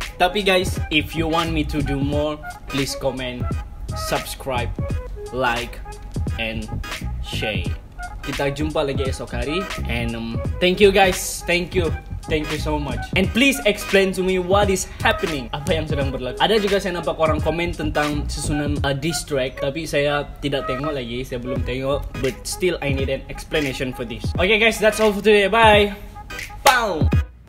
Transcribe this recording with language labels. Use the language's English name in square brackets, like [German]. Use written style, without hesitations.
[Malay] Tapi [English] guys, if you want me to do more, please comment, subscribe, like, and share. [Malay] Kita jumpa lagi esok hari. [English] And thank you guys. Thank you so much. And please explain to me what is happening. [Malay] Apa yang sedang berlaku. Ada juga saya nampak orang komen tentang susunan diss track. Tapi saya tidak tengok lagi. Saya belum tengok. [English] But still I need an explanation for this. Okay guys, that's all for today. Bye. Boom.